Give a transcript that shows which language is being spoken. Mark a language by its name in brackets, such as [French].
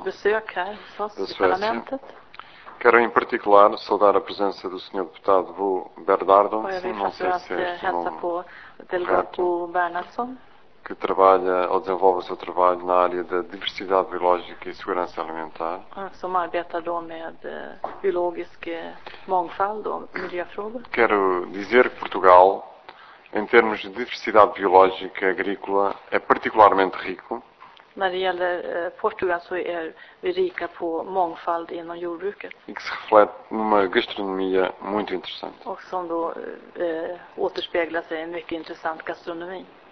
[Portuguese] da Suécia. Quero, em particular, saudar a presença do Sr. Deputado Bo Bernardo. Não sei se é o delegado Bernardo. Que trabalha ou desenvolve o seu trabalho na área da diversidade biológica e segurança alimentar. [Swedish] Som arbetador med biologisk mångfald och miljöfrågor. [Portuguese] Quero dizer que Portugal, em termos de diversidade biológica agrícola, é particularmente rico. [Swedish] När det gäller Portugal så är vi rika på mångfald inom jordbruket. [Portuguese] E que se reflete numa gastronomia muito interessante. [Swedish] Och som då återspegla sig en mycket intressant gastronomi.